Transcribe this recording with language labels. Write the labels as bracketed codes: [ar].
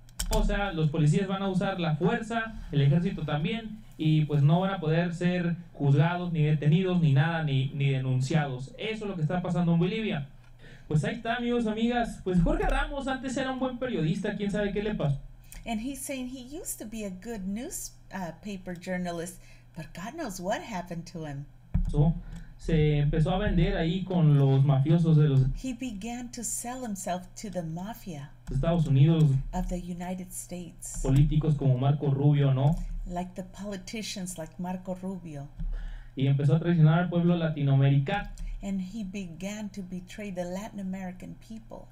[es] O sea, los policías van a usar la fuerza, el ejército también, y pues no van a poder ser juzgados, ni detenidos, ni nada, ni denunciados. Eso es lo que está pasando en Bolivia. Pues ahí está, amigos, amigas. Pues Jorge Ramos antes era un buen periodista. ¿Quién sabe qué le pasó? [en] And he's saying he used to be a good newspaper journalist, but God knows what happened to him. [es] So, se empezó a vender ahí con los mafiosos de los... [en] He began to sell himself to the mafia. [es] Estados Unidos. [en] Of the United States. [es] Políticos como Marco Rubio, ¿no? [en] Like the politicians like Marco Rubio. [es] Y empezó a traicionar al pueblo latinoamericano. [en] And he began to betray the Latin American people.